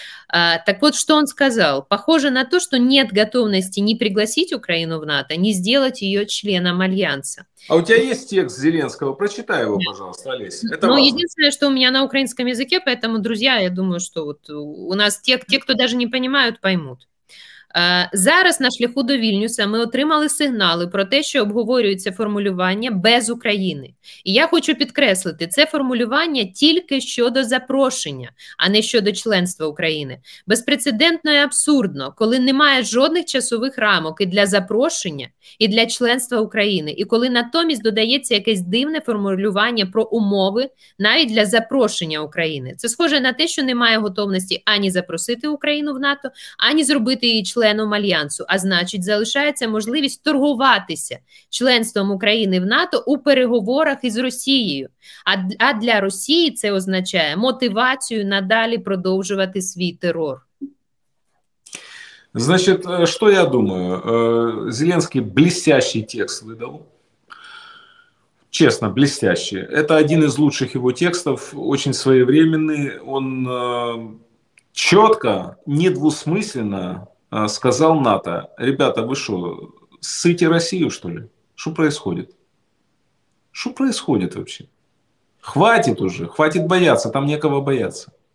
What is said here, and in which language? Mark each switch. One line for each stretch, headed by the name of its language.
Russian: Так вот, что он сказал? Похоже на то, что нет готовности ни пригласить Украину в НАТО, ни сделать ее членом Альянса. А у тебя есть текст Зеленского? Прочитай его, пожалуйста, Олеся. Это важно. Единственное, что у меня на украинском языке, поэтому, друзья, я думаю, что вот у нас те, кто даже не понимают, поймут.
Ukrainian: Зараз на шляху до Вільнюса ми отримали сигнали про те, що обговорюється формулювання «без України». І я хочу підкреслити, це формулювання тільки щодо запрошення, а не щодо членства України. Безпрецедентно і абсурдно, коли немає жодних часових рамок і для запрошення, і для членства України, і коли натомість додається якесь дивне формулювання про умови навіть для запрошення України. Це схоже на те, що немає готовності ані запросити Україну в НАТО, ані зробити її членом Альянсу, а значить, залишається можливість торгуватися членством України в НАТО у переговорах із Росією. А для Росії це означає мотивацію надалі продовжувати свій терор. Значить, що я думаю? Зеленський блестящий текст видав. Чесно, блестящий. Це один із лучших його текстів, дуже своєвременний. Він чітко,
Russian: недвусмисленно сказал НАТО: ребята, вы что, ссыте Россию, что ли? Что происходит? Что происходит вообще? Хватит уже, хватит бояться, там некого бояться.